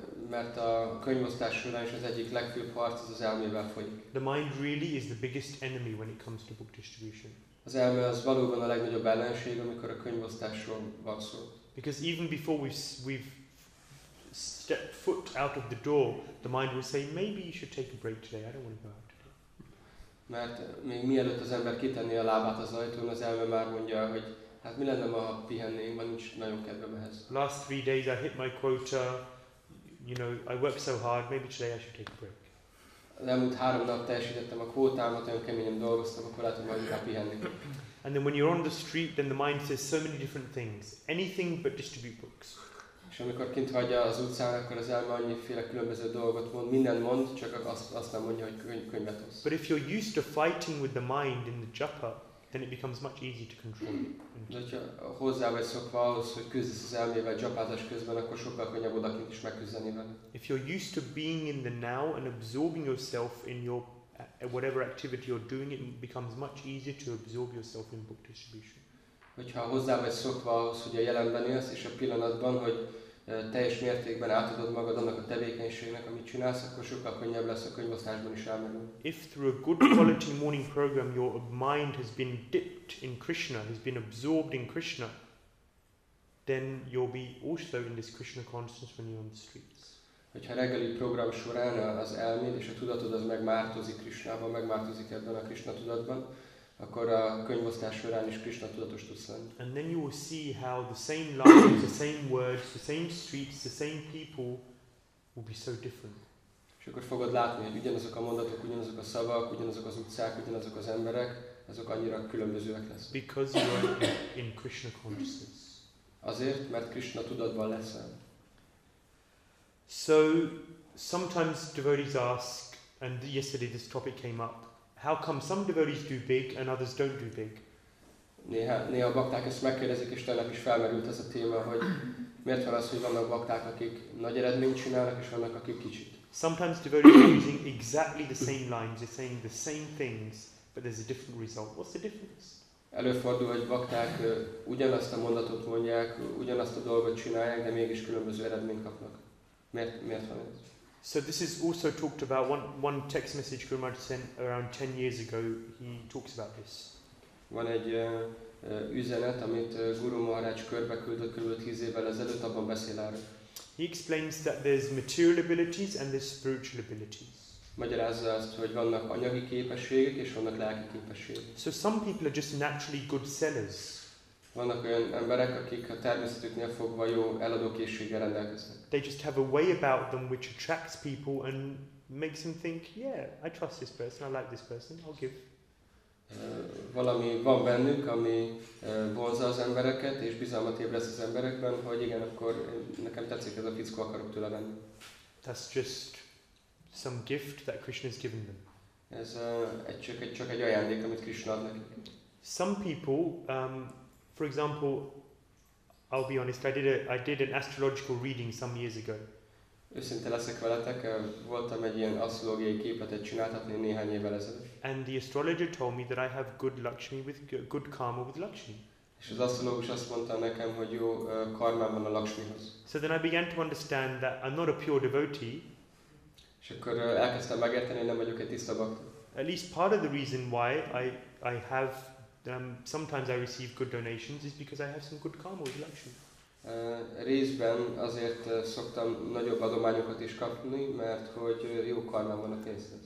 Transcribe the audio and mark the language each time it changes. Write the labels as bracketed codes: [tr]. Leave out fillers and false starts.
[hu] Mert a könyvosztás során is az egyik legfőbb harc az elmével folyik. [en] The mind really is the biggest enemy when it comes to book distribution. [hu] Az elme az valóban a legnagyobb ellenség, amikor a könyvosztásról van szó. [en] Because even before we've stepped foot out of the door, the mind will say, maybe you should take a break today, I don't want to go out today. [hu] Mert még mielőtt az ember kitenni a lábát az ajtón, az elme már mondja, hogy hát mi lenne ma, ha pihennénk, ma nincs nagyon kedvem ehhez. [en] Last 3 days I hit my quota, you know, I worked so hard, maybe today I should take a break. [hu] De amúgy 3 nap teljesítettem a kvótámat, olyan keményen dolgoztam, akkor lehet, hogy majd pihenni. [en] And then when you're on the street, then the mind says so many different things. Anything but distribute books. [hu] És És amikor kint vagy az utcán, akkor az elme annyiféle különböző dolgot mond, mindent mond, csak azt nem mondja, hogy könyvet hoz. [en] But if you're used to fighting with the mind in the japa, then it becomes much easier to control it. [hu] De hogyha hozzá vagy szokva ahhoz, hogy küzdesz az elmével japázás közben, akkor sokkal könnyebb odakint is megküzdeni vele. [en] If you're used to being in the now and absorbing yourself in your whatever activity you're doing, it becomes much easier to absorb yourself in book distribution. [hu] Hogyha hozzá vagy szokva ahhoz, hogy a jelenben élsz, és a pillanatban, hogy teljes mértékben átadod magad annak a tevékenységnek, amit csinálsz, akkor sokkal könnyebb lesz a könyvosztásban is elmenni. [en] If through a good quality morning program your mind has been dipped in Krishna, has been absorbed in Krishna, then you'll be also in this Krishna consciousness when you're on the streets. [hu] Hogyha reggeli program során az elméd és a tudatod az megmártozik Krishnában, megmártozik ebben a Krishna tudatban, akkor a könyvosztás során is Krishna tudatos tudsz lenni. [en] And then you will see how the same life, the same words, the same streets, the same people will be so different. [hu] És akkor fogod látni, hogy ugyanazok a mondatok, ugyanazok a szavak, ugyanazok az utcák, ugyanazok az emberek, azok annyira különbözőek lesznek. [en] Because you are in Krishna consciousness. [hu] Azért, mert Krishna tudatban leszel. [en] So, sometimes devotees ask, and yesterday this topic came up, how come some devotees do big and others don't do big? [hu] Néha bakták ezt megkérdezik, és tegnap is felmerült ez a téma, hogy miért van az, hogy vannak bakták, akik nagy eredményt csinálnak, és vannak, akik kicsit. [en] Sometimes devotees are using exactly the same lines, they're saying the same things, but there's a different result. What's the difference? [hu] Előfordul, hogy bakták ugyanazt a mondatot mondják, ugyanazt a dolgot csinálják, de mégis különböző eredményt kapnak. Miért van ez? [en] So this is also talked about, one text message Guru Maharaj sent around 10 years ago, he talks about this. [hu] Van egy üzenet, amit Guru Maharaj körbe küldött kb. 10 évvel ezelőtt, abban beszél erről. [en] He explains that there's material abilities and there's spiritual abilities. [hu] Magyarázza azt, hogy vannak anyagi képességek és vannak lelki képességek. [en] So some people are just naturally good sellers. [hu] Vannak olyan emberek, akik a természetüknél fogva jó eladókészséggel rendelkeznek. [en] They just have a way about them which attracts people and makes them think, yeah, I trust this person, I like this person, I'll give. [hu] Valami van bennük, ami vonza az embereket és bizalmat ébreszt az emberekben, hogy igen, akkor nekem tetszik ez a fickó, akarok tőle venni. [en] That's just some gift that Krishna has given them. [hu] Ez csak egy ajándék, amit Krishna ad nekik. [en] Some people, for example, I'll be honest, I did an astrological reading some years ago. [hu] Őszinte leszek veletek, voltam egy ilyen asztrológiai képletet csináltatni néhány évvel ezelőtt. [en] And the astrologer told me that I have good karma with Lakshmi. [hu] És az asztrológus azt mondta nekem, hogy jó karmám van a Lakshmihoz. [en] So then I began to understand that I'm not a pure devotee. [hu] És akkor elkezdtem megérteni, hogy nem vagyok egy tiszta bakta. [en] At least part of the reason why I have sometimes I receive good donations is because I have some good karma with Lakshmi. [hu] Részben azért szoktam nagyobb adományokat is kapni, mert hogy jó karmám van a pénzhez.